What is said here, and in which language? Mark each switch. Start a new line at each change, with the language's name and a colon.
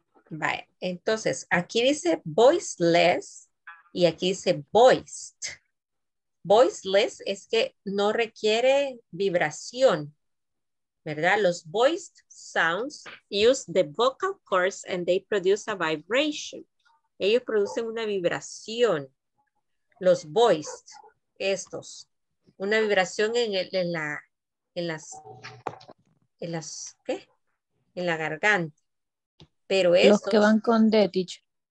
Spanish: Vale, entonces aquí dice voiceless y aquí dice voiced. Voiceless es que no requiere vibración, ¿verdad? Los
English: voiced sounds use the vocal cords and they produce a vibration.
Spanish: Ellos producen una vibración. Los voiced, estos, una vibración en, el, en la. En las ¿qué? En la garganta. Pero estos, los que van con D, teacher.